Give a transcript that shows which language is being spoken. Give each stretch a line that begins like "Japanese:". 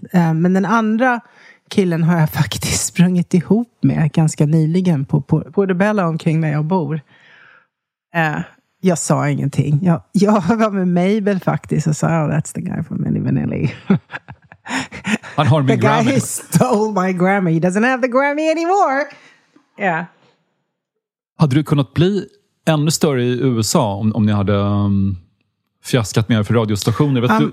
Swedish: Men den andra killen har jag faktiskt sprungit ihop med ganska nyligen på Portobello omkring där jag bor. Jag sa ingenting. Jag var med Mabel faktiskt och sa,
English: oh, that's the guy from Milli Vanilli.
Swedish: Han har min Grammy.
English: The guy who stole my Grammy. He doesn't have the Grammy anymore. Yeah.
Swedish: Hade du kunnat bli ännu större i USA om ni hade fiaskat med er för radiostationer?